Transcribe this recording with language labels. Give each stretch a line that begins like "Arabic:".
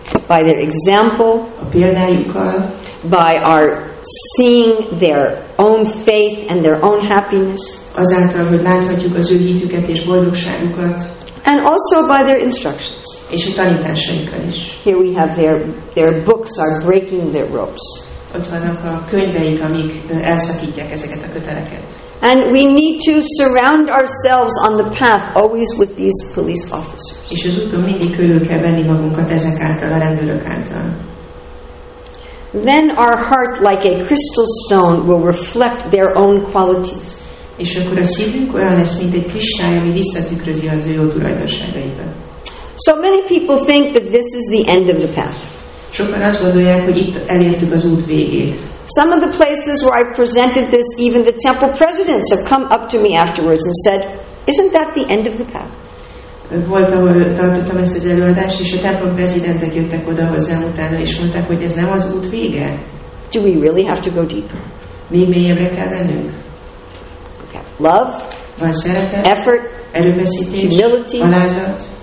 English: By their example,
Hungarian: a példájukkal,
English: by our seeing their own faith and their own happiness,
Hungarian: azáltal, hogy láthatjuk az ő hitüket és boldogságukat,
English: and also by their instructions,
Hungarian: és a tanításaikkal is.
English: Here we have their books are breaking their ropes.
Hungarian: Ott vannak a könyveik, amik elszakítják ezeket a köteleket.
English: And we need to surround ourselves on the path always with these police officers.
Hungarian: És az úton mindig körül kell venni magunkat ezek által, a rendőrök által.
English: Then our heart, like a crystal stone, will reflect their own qualities.
Hungarian: És akkor a szívünk olyan lesz, mint egy kristály, ami visszatükrözi az ő jó tulajdonságaiban.
English: So many people think that this is the end of the path.
Hungarian: Sokan azt gondolják, hogy itt elértük az út végét.
English: Some of the places where I presented this, even the temple presidents have come up to me afterwards and said, isn't that the end of the path?
Hungarian: Volt, ahol tartottam ezt az előadást, és a templom prezidentek jöttek oda hozzám utána, és mondták, hogy ez nem az út vége.
English: Do we really have to go deeper?
Hungarian: Még mélyebbre kell mennünk?
English: Love.
Hungarian: Van szeretet.
English: Effort.
Hungarian: Erőfeszítés.
English: Humility.
Hungarian: Alázat.